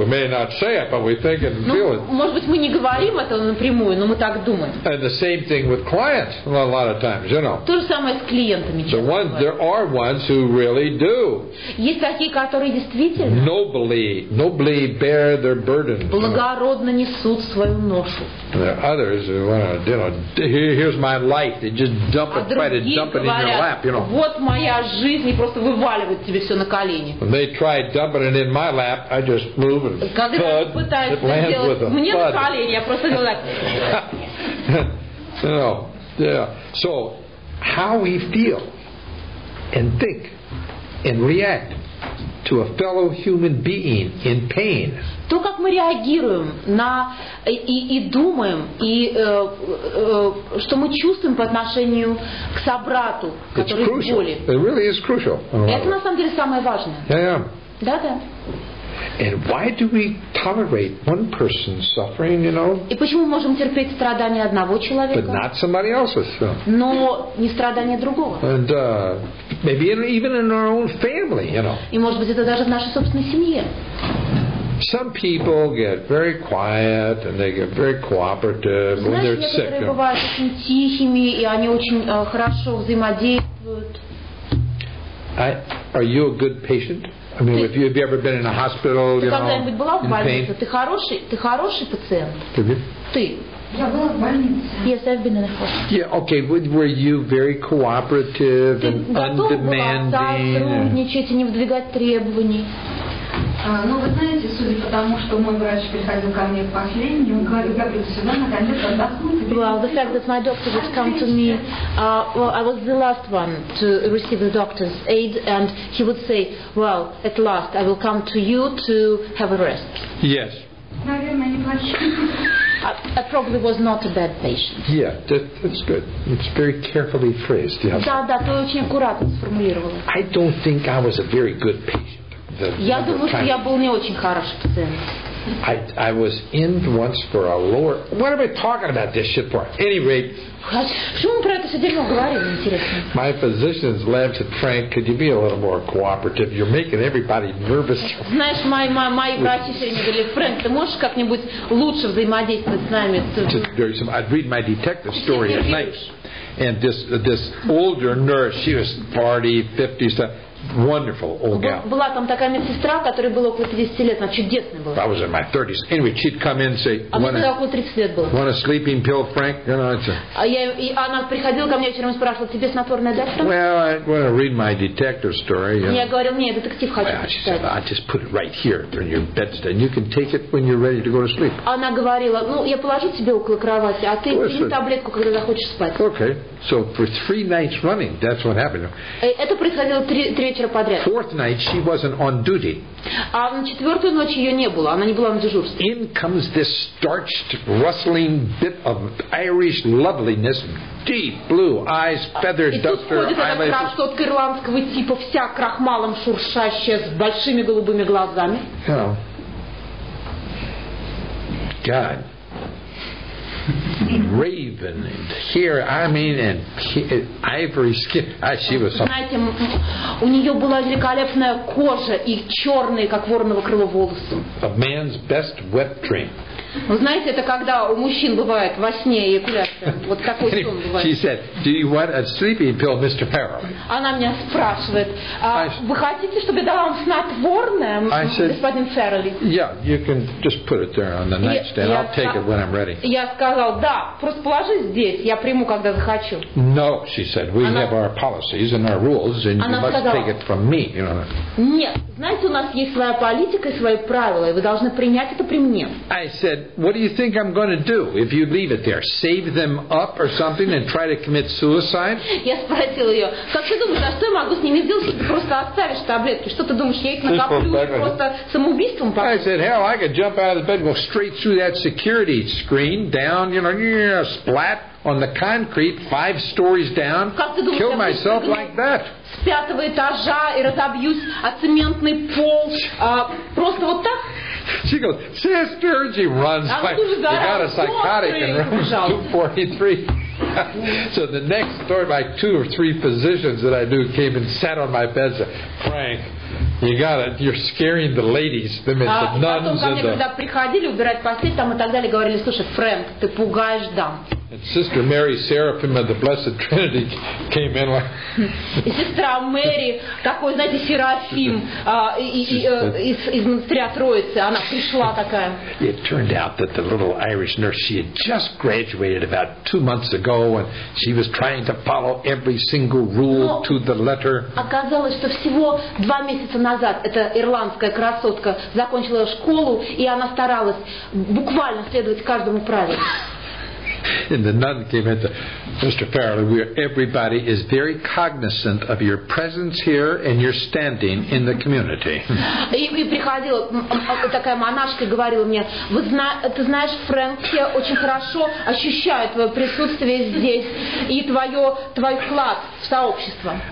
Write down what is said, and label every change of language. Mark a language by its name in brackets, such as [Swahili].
[English] We may not say it, but we think it and feel it. [Russian] Может быть, мы не говорим это напрямую, но мы так думаем. [English] And the same thing with clients a lot of times, you know. [Russian] То же самое с клиентами. [English] The one, there are ones who really do. [Russian] Есть такие, которые действительно [English] nobly bear their burdens. [Russian] Благородно несут свою ношу. [English] There are others who want to, you know, here's my life. They just dump it, try to dump it in your lap, you know. [Russian] Вот моя жизнь, и просто вываливают тебе все на колени. [English] When they try dumping it in my lap, I just move and thud, it lands with a [Russian] мне на колени, я просто так. [English] No, yeah. So, how we feel and think and react to a fellow human being in pain. [Russian] То, как мы реагируем на и думаем, и что мы чувствуем по отношению к собрату, который в боли. [English] It really is crucial. [Russian] Это на самом деле самое важное. Да-да. [English] And why do we tolerate one person's suffering, you know? [Russian] И почему мы можем терпеть страдания одного человека? [English] But not somebody else's. [Russian] Но не страдания другого. [English] And maybe even in our own family, you know. [Russian] И может быть это даже в нашей собственной семье. [English] Some people get very quiet and they get very cooperative when they're sick. [Russian] Знаешь, некоторые бывают очень тихими и они очень хорошо взаимодействуют. [English] Are you a good patient? I mean, if you have you ever been in a hospital, you know, in pain? [Russian] Ты хороший пациент. Ты. Я была в больнице. [English] Yes, I've been in a hospital. Yeah, okay. Were you very cooperative and undemanding? [Russian] Ты готов был сотрудничать и не выдвигать требований? Ну, вы знаете, судя по тому, что мой врач приходил ко мне в последний, он говорит, я приду сюда, наконец, отдохнуть. [English] Well, the fact that my doctor would come to me, well, I was the last one to receive the doctor's aid, and he would say, well, at last, I will come to you to have a rest. Yes. [Russian] Наверное, неплохо. [English] I probably was not a bad patient. Yeah, that's good. It's very carefully phrased. [Russian] Да, ты очень аккуратно сформулировала. [English] I don't think I was a very good patient. [Russian] Я думаю, что я был не очень хороший пациент. [English] I was in once for a lower. What am I talking about this shit for? Anyway. [Russian] Почему мы про это сегодня говорим, интересно? [English] My physician's lab said, Frank, could you be a little more cooperative? You're making everybody nervous. [Russian] Знаешь, мои врачи сегодня говорили, Фрэнк, ты можешь как-нибудь лучше взаимодействовать с нами? [English] I'd read my detective story at night, and this older nurse, she was 40, 50, something. Wonderful old gal. [Russian] Была там такая медсестра, которой было около 50 лет, она чудесная была. [English] I was in my 30s. Anyway, she'd come in and say, want a sleeping pill, Frank? You know, it's [Russian] она приходила ко мне вечером и спрашивала, тебе снотворное дать, Фрэнк? [English] Well, I want to read my detective story. [Russian] Я говорил, мне детектив хочу читать. [English] She said, I just put it right here on your bedstead, and you can take it when you're ready to go to sleep. [Russian] Она говорила, ну, я положу тебе около кровати, а ты возьми таблетку, когда захочешь спать. [English] Okay. So for three nights running, that's what happened. [Russian] Это происходило три вечера подряд. [English] Fourth night, she wasn't on duty. [Russian] А на четвертую ночь ее не было, она не была на дежурстве. [English] In comes this starched, rustling bit of Irish loveliness, deep blue eyes, feathers, duster, eyelashes. [Russian] И тут входит эта красотка ирландского типа, вся крахмалом шуршащая, с большими голубыми глазами. [English] Oh. God. Raven and hair, I mean, and ivory skin. She was something. [Russian] Знаете, у нее была великолепная кожа и черные, как вороново крыло, волосы. [English] A man's best wet dream. [Russian] Вы знаете, это когда у мужчин бывает во сне эякуляция. Вот такой сон бывает. [English] She said, "Do you want a sleeping pill, Mr. Farrell?" [Russian] Она меня спрашивает, вы хотите, чтобы я дала вам снотворное, господин Феррелли? [English] Yeah, you can just put it there on the nightstand. I'll take it when I'm ready. [Russian] Я сказал, да, просто положи здесь, я приму, когда захочу. [English] No, she said, we have our policies and our rules, and you must take it from me. You know. [Russian] Нет, знаете, у нас есть своя политика и свои правила, и вы должны принять это при мне. [English] I said, what do you think I'm going to do if you leave it there? Save them up or something and try to commit suicide? [Russian] Я спросил ее, как ты думаешь, а что я могу с ними сделать, если ты просто оставишь таблетки? Что ты думаешь, я их накоплю просто самоубийством? [English] I said, hell, I could jump out of the bed and go straight through that security screen, down, you know, splat on the concrete, five stories down, kill myself like that. [Russian] С пятого этажа и разобьюсь о цементный пол. Просто вот так? [English] She goes, sister, she runs. [Russian] Она [English] like, you got a psychotic in room 243. So the next story, like two or three physicians that I knew came and sat on my bed and said, Frank, you got it. You're scaring the ladies. Them is the nuns and the... [Russian] Когда приходили убирать постель, там и так далее, говорили, слушай, Фрэнк, ты пугаешь дам. [English] And Sister Mary Seraphim of the Blessed Trinity came in like... [Russian] И сестра Мэри, такой, знаете, Серафим из монастыря Троицы, она пришла такая. [English] It turned out that the little Irish nurse, she had just graduated about 2 months ago, and she was trying to follow every single rule to the letter. [Russian] Оказалось, что всего два месяца назад эта ирландская красотка закончила школу, и она старалась буквально следовать каждому правилу. [English] And the nun came in to Mr. Farrelly, where everybody is very cognizant of your presence here and your standing in the community. [Russian] И приходила такая монашка и говорила мне, ты знаешь, Фрэнк, я очень хорошо ощущаю твое присутствие здесь и твой вклад в сообщество.